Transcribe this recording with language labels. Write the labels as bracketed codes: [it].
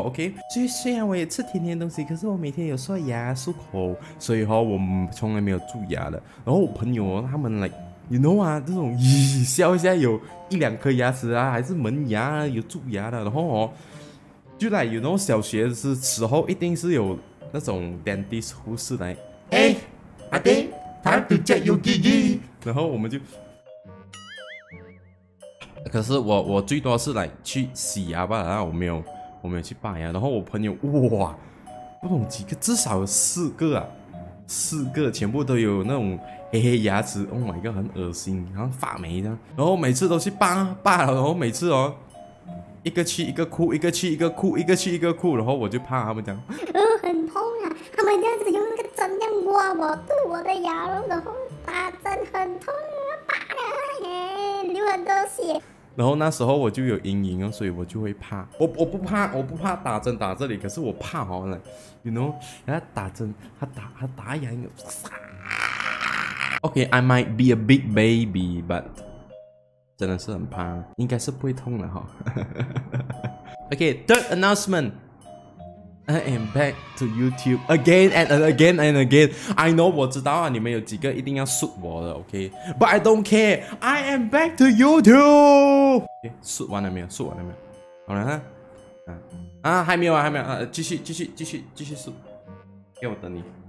[zh] OK， 所以虽然我也吃甜甜的东西，可是我每天有刷牙漱口，所以哈、哦，我从来没有蛀牙的。然后我朋友、哦、他们 like, you know 啊，这种笑一下有一两颗牙齿啊，还是门牙、啊、有蛀牙的，然后哦。就来 ，you know， 小学的时候一定是有那种 dentist 护士来， [en] 哎，阿弟 ，time to check your gigi， [zh] 然后我们就，可是我最多是来去洗牙吧，然后我没有去拔牙，然后我朋友哇，不懂几个，至少有四个啊，四个全部都有那种黑黑牙齿 ， [en] oh my god， [zh] 很恶心，然后发霉这样，然后每次都去拔了，然后每次哦。一个去一个哭，一个去一个哭，一个去一个哭，然后我就怕他们讲，很痛啊！他们这样子用那个针这样挖我，对我的牙，然后打针很痛啊，拔了，流很多血。然后那时候我就有阴影了，所以我就会怕。我不怕打针打这里，可是我怕好了 ，you know， 人家打针，他打痒痒。 [en] Okay, I might be a big baby, but [zh] 真的是很怕，应该是不会痛了哈。 [en] Okay, third announcement. I am back to YouTube again and again and again. I know, [zh] 我知道啊，你们有几个一定要 [en] shoot 我的 ，okay? But I don't care. I am back to YouTube. Okay, shoot [zh] 完了没有 [en] ？shoot 完了没有？ [zh] 好了哈。还没有啊，还没有啊，继续 shoot。给我等你。